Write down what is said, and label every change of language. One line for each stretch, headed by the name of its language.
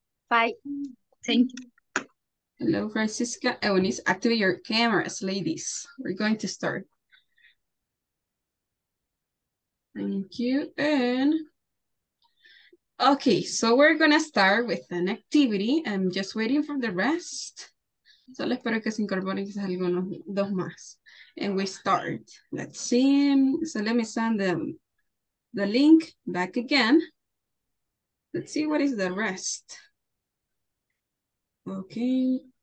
English: Bye. Thank you. Hello, Francisca. Eunice, activate your cameras, ladies. We're going to start. Thank you. And okay, so we're going to start with an activity. I'm just waiting for the rest.
Spanish: Solo espero que se incorporen quizás algunos dos más.
English: And we start. Let's see. So let me send the link back again. Let's see what is the rest. Okay.